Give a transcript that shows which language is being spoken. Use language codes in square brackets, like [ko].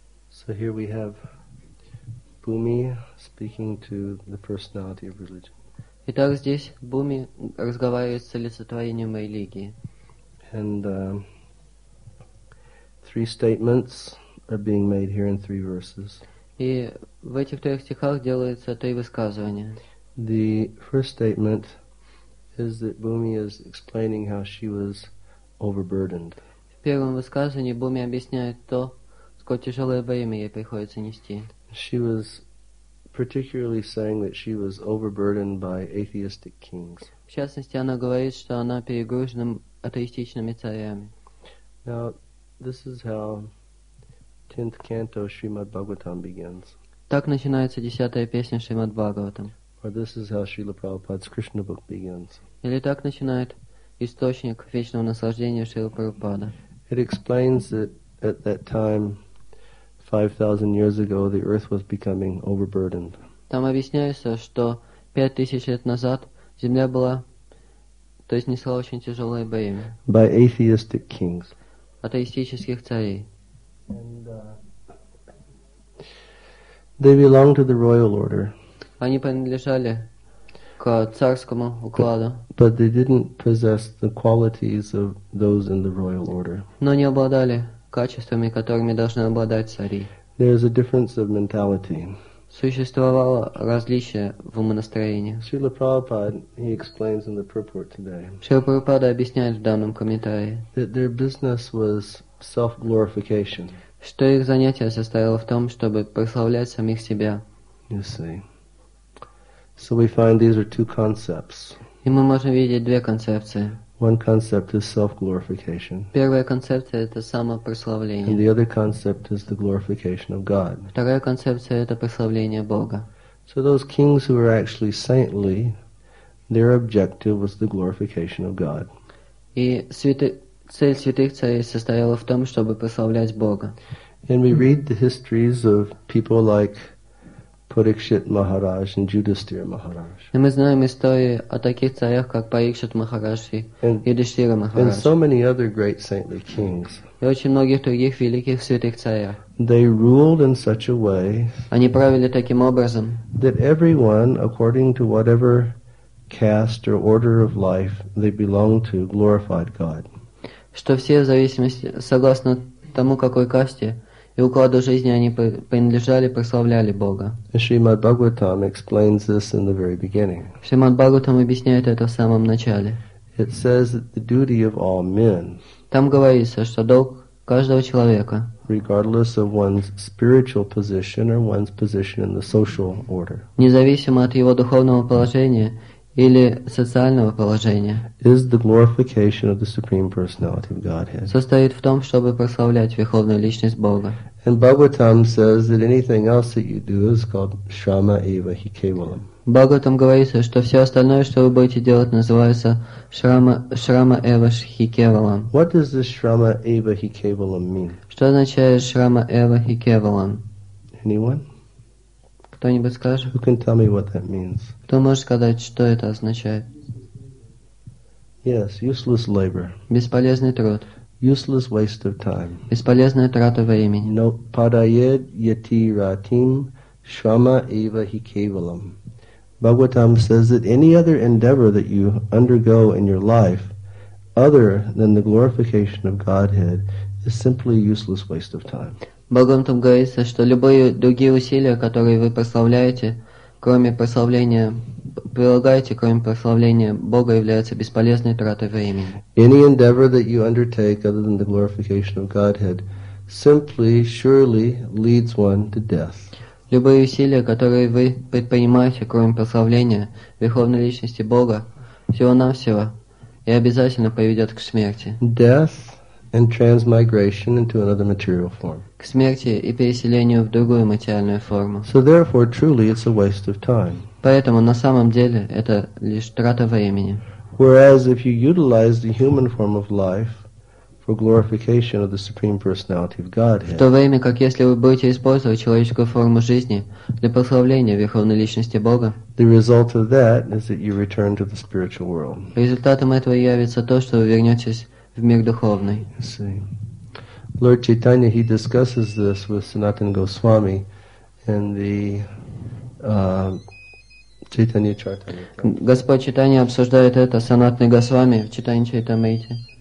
[en] So here we have Bhumi speaking to the personality of religion. [ru] Итак, здесь Бхуми разговаривает с олицетворением религии. [en] And three statements are being made here in three verses. [ru] И в этих трех стихах делается три высказывания. [en] The first statement is that Bhumi is explaining how she was overburdened. [ru] В первом высказывании Бхуми объясняет то, сколько тяжелое бремя ей приходится нести. [en] She was particularly saying that she was overburdened by atheistic kings. [ru] В частности, она говорит, что она перегружена атеистичными царями. [en] Now, this is how 10th canto Srimad Bhagavatam begins. [ru] Так начинается десятая песня Шримад Бхагаватам. [en] Or this is how Srila Prabhupada's Krishna book begins. [ru] Или так начинает источник вечного наслаждения Шрила Прабхупада. [en] It explains that at that time, 5,000 years ago, the earth was becoming overburdened. [ru] Там объясняется, что 5,000 лет назад земля была, то есть несла очень тяжелое бремя. [en] By atheistic kings. [ru] Атеистических царей. [en] And they belong to the royal order. [ru] Они принадлежали к царскому укладу. [en] But they didn't possess the qualities of those in the royal order. [ru] Но не обладали качествами, которыми должны обладать цари. [en] There is a difference of mentality. [ru] Существовало различие в умонастроении. [en] Srila Prabhupada, he explains in the purport today. [ru] Srila Prabhupada объясняет в данном комментарии. [en] That their business was self-glorification. [ru] Что их занятие состояло в том, чтобы прославлять самих себя. [en] You see. So we find these are two concepts. [ru] И мы можем видеть две концепции. [en] One concept is self-glorification. [ru] Первая концепция – это самопрославление. [en] And the other concept is the glorification of God. [ru] Вторая концепция – это прославление Бога. [en] So those kings who were actually saintly, their objective was the glorification of God. [ru] И цель святых царей состояла в том, чтобы прославлять Бога. [en] And we read the histories of people like Parikshit Maharaj and Yudhishthira Maharaj. [ru] И мы знаем истории о таких царях, как Парикшит Махарадж и Юдхиштхира Махарадж. [en] And so many other great saintly kings. [ru] И очень многих других великих святых царях. [en] They ruled in such a way. [ru] Они правили таким образом. [en] That everyone, according to whatever caste or order of life they belonged to, glorified God. [ru] Что все в зависимости, согласно тому, какой касте и укладу жизни они принадлежали, прославляли Бога. [en] Шримад Бхагаватам explains this in the very beginning. [ru] Шримад Бхагаватам объясняет это в самом начале. [en] It says that the duty of all men. [ru] Там говорится, что долг каждого человека. [en] Regardless of one's spiritual position or one's position in the social order. [ru] Независимо от его духовного положения или социального положения. [en] Is the glorification of the Supreme Personality of Godhead. [ru] Состоит в том, чтобы прославлять Верховную Личность Бога. [en] And Bhagavatam says that anything else that you do is called [sa] Shrama Eva Hi Kevalam. [ru] Бхагаватам говорится, что все остальное, что вы будете делать, называется [sa] Shrama Eva Hi Kevalam. [en] What does this [sa] Shrama Eva Hi Kevalam [en] mean? [ru] Что означает [sa] Shrama Eva Hi Kevalam? [en] Anyone? [ru] Кто-нибудь скажет? [en] Who can tell me what that means? [ru] Кто может сказать, что это означает? [en] Yes, useless labor. [ru] Бесполезный труд. [en] Useless waste of time. [ru] Бесполезная трата времени. [sa] No, padayed yati ratim shrama eva hi kevalam. [en] Bhagavatam says that any other endeavor that you undergo in your life, other than the glorification of Godhead, is simply useless waste of time. [ru] Бхагаватам говорится, что любые другие усилия, которые вы прославляете, кроме прославления, прилагаете, кроме прославления Бога, являются бесполезной тратой времени. [en] Any endeavor that you undertake other than the glorification of Godhead simply, surely leads one to death. [ru] Любые усилия, которые вы предпринимаете, кроме прославления Верховной Личности Бога, всего-навсего и обязательно приведет к смерти. [en] Death and transmigration into another material form. [ru] К смерти и переселению в другую материальную форму. [en] So therefore, truly, it's a waste of time. [ru] Поэтому на самом деле это лишь трата времени. [en] Whereas if you utilize the human form of life for glorification of the Supreme Personality of Godhead. [ru] В то время как если вы будете использовать человеческую форму жизни для прославления Верховной Личности Бога, [en] the result of that is that you return to the spiritual world. [ru] Результатом этого явится то, что вы вернетесь в мир духовный. [en] See. Lord Chaitanya, he discusses this with Sanatana Goswami in the Chaitanya Charitamrita. [ru] Господь Чайтанья обсуждает это с Санатаной Госвами в Чайтанья Чайтамрите.